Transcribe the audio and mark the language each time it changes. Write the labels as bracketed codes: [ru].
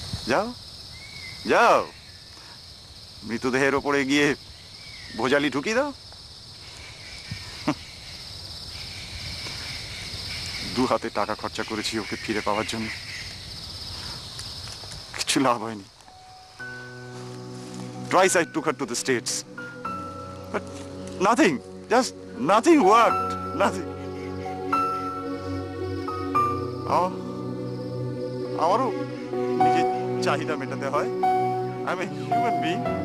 [bn] যাও যাও, মৃতদেহের ওপরে গিয়ে ভোজালি ঢুকি দাও। দু হাতে টাকা খরচা করেছি ওকে ফিরে পাওয়ার জন্য, কিছু লাভ হয়নি। [en] Twice I took her to the States, but nothing, just nothing worked, nothing. [bn] আমারও নিজের চাহিদা মেটাতে হয়, [en] I am a human being.